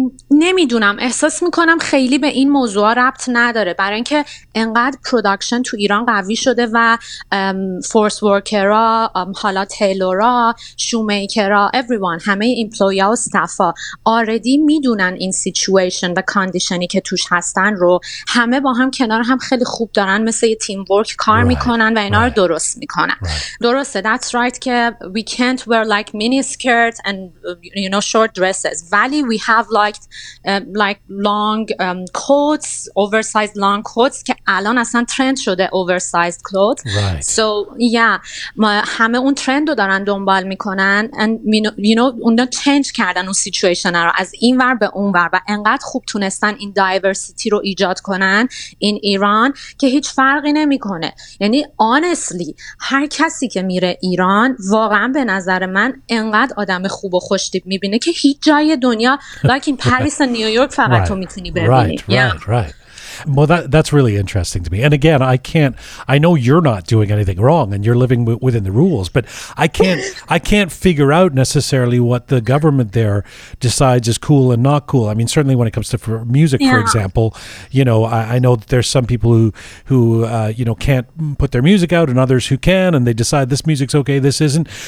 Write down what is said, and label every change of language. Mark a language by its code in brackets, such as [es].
[fa] نمیدونم, احساس میکنم خیلی به این موضوع ربط نداره, برای اینکه انقدر پروداکشن تو ایران قوی شده و فورس ورکرا, حالا تیلورا, شومیکرا, [en] everyone, [fa] همه ایمپلویا و استافا آردی میدونن این سیچویشن و کاندیشنی که توش هستن رو, همه با هم کنار هم خیلی خوب دارن مثل یه تیم ورک کار میکنن و اینا رو درست میکنن. درسته, [en] that's right, که we can't wear like mini skirt and you know short dress. Valley, we have like long coats, oversized long coats. [fa] که الان اصلا trend شده [en] oversized clothes. Right. So yeah, [fa] ما همه اون trend رو دارن دنبال میکنن, [en] and you know, [fa] اونا change کردن اون situation رو از این ور به اون ور, و انقدر خوب تونستن این diversity رو ایجاد کنن [en] in Iran [fa] که هیچ فرقی نمیکنه. یعنی honestly, هر کسی که میره ایران واقعا به نظر من انقدر آدم خوب و خوشتیپ میبینه که هیچ جای دنیا, [en] like in Paris and New York, [fa] فقط تو میتونی ببینی. [en] Right. Well, that's really interesting to me. And again, I know you're not doing anything wrong and you're living within the rules, but I can't figure out necessarily what the government there decides is cool and not cool. I mean, certainly when it comes to music, yeah. For example, you know, I know that there's some people who you know, can't put their music out and others who can, and they decide this music's okay, this isn't.